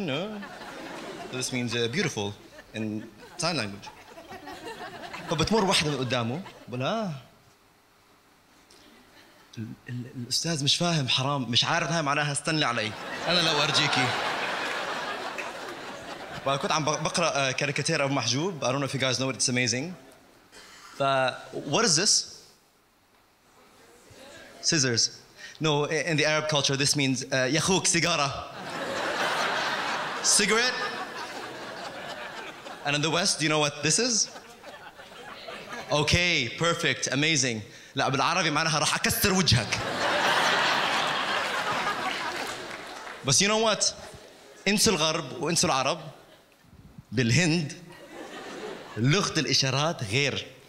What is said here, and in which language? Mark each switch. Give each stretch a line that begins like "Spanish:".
English: No, this means beautiful in sign language.
Arabic: فبتمر واحدة من قدامه بقول ها الأستاذ مش فاهم، حرام مش عارف هاي معناها، استني علي أنا لو أرجيكي. وكنت عم بقرأ كاريكاتير أبو محجوب.
English: I don't know if you guys know it, it's amazing. ف what is this? Scissors. No, in the Arab culture, this means
Arabic: يخوك سيجارة.
English: Cigarette. And in the West, do you know what this is? Okay, perfect, amazing.
Arabic: لا بالعربي معناها راح أكسر وجهك.
English: But you know what?
Arabic: انسوا الغرب وانسوا العرب. بالهند لغة الإشارات غير.